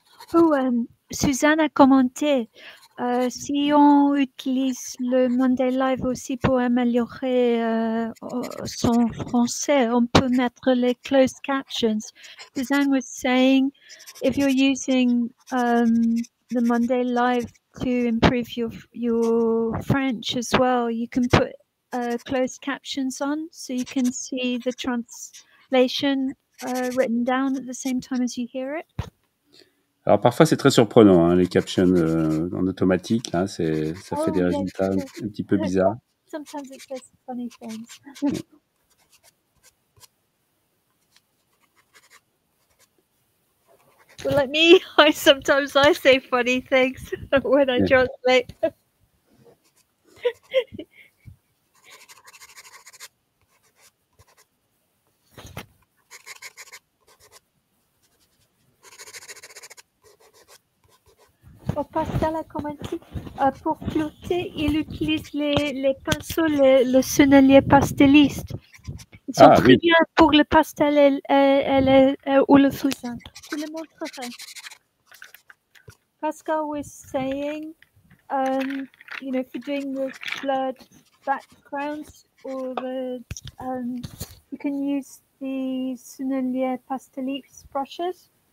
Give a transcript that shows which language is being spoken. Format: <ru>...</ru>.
<fr>coup, Suzanne a commenté, si on utilise le Monday Live aussi pour améliorer son français, on peut mettre les closed captions.</fr> <en>Suzanne was saying, if you're using the Monday Live to improve your French as well, you can put closed captions on so you can see the translation written down at the same time as you hear it.</en> <fr>Alors parfois c'est très surprenant hein, les captions en automatique, hein, ça fait des résultats un petit peu bizarres.</fr> <en>Sometimes it says funny things. Well, like me, I sometimes say funny things when I translate.</en> <fr>Pascal a commenté, pour flotter, il utilise les pinceaux, le sennelier pasteliste. Ils sont très bien pour le pastel ou le fusain. Je le montrerai.</fr> <en>Pascal was saying, you know, if you're doing the blurred backgrounds, or the, you can use the sennelier pasteliste brushes.</en>